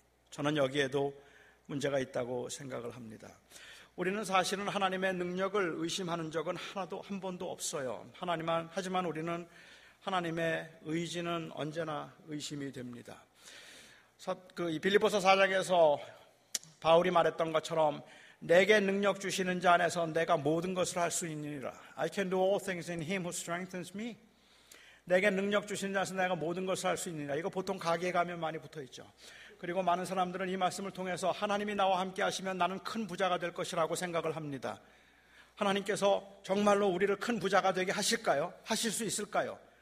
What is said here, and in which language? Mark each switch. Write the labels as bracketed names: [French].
[Korean] 저는 여기에도 문제가 있다고 생각을 합니다. 우리는 사실은 하나님의 능력을 의심하는 적은 하나도 한 번도 없어요. 하지만 우리는 하나님의 의지는 언제나 의심이 됩니다. 빌립보서 4장에서 바울이 말했던 것처럼 내게 능력 주시는 자 안에서 내가 모든 것을 할 수 있느니라. [English] I can do all things in him who strengthens me. [Korean] 내게 능력 주시는 자 안에서 내가 모든 것을 할 수 있느니라. 이거 보통 가게에 가면 많이 붙어있죠. 그리고 많은 사람들은 이 말씀을 통해서 하나님이 나와 함께 하시면 나는 큰 부자가 될 것이라고 생각을 합니다. 하나님께서 정말로 우리를 큰 부자가 되게 하실까요? 하실 수 있을까요?